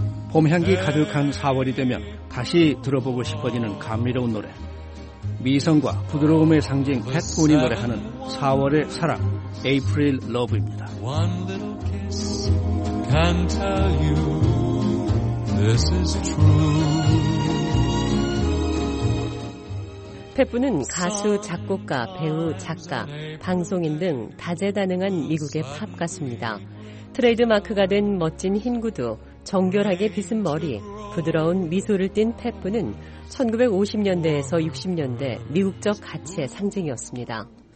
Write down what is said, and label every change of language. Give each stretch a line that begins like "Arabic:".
Korean: 봄향기 가득한 4월이 되면 다시 들어보고 싶어지는 감미로운 노래. 미성과 부드러움의 상징 팻 부인이 노래하는 4월의 사랑,
English: April Love
Korean: 입니다.
English: One little kiss can tell you this is true.
Korean: 페프는 가수, 작곡가, 배우, 작가, 방송인 등 다재다능한 미국의 팝 가수입니다. 트레이드마크가 된 멋진 흰 구두, 정결하게 빗은 머리, 부드러운 미소를 띤 페프는 1950년대에서 60년대 미국적 가치의 상징이었습니다.